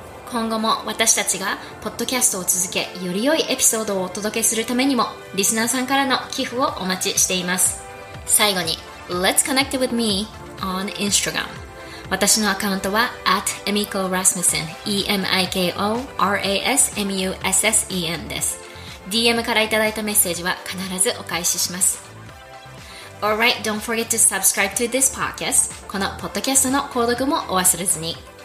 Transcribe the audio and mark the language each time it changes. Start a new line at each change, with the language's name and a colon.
Japanese: 今後も私たちがポッドキャストを続け、より良いエピソードをお届けするためにも、リスナーさんからの寄付をお待ちしています。最後に
English: Let's connect with me on Instagram。
Japanese: 私のアカウントは @emikorasmussen emikorasmussen です。 DM からいただいたメッセージは必ずお返しします。
English: Alright, don't forget to subscribe to this podcast。
Japanese: このポッドキャストの購読もお忘れずに。